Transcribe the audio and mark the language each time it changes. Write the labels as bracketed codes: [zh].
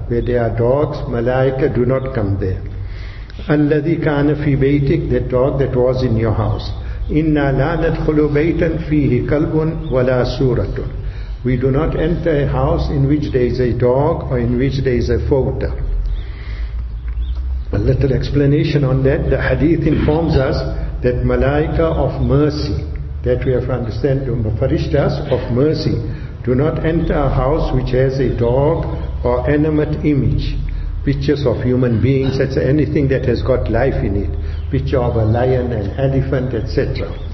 [en] Where there are dogs, malaika do not come there. [ar] الذي كان في بيتك. [en] That dog that was in your house. [ar] إنا لا ندخل بيتا فيه كلب ولا سورة. [en] We do not enter a house in which there is a dog or in which there is a photo. A little explanation on that. The hadith informs us that malaika of mercy, that we have understand, farishtas of mercy, do not enter a house which has a dog or animate image, pictures of human beings, that's anything that has got life in it, picture of a lion, an elephant, etc.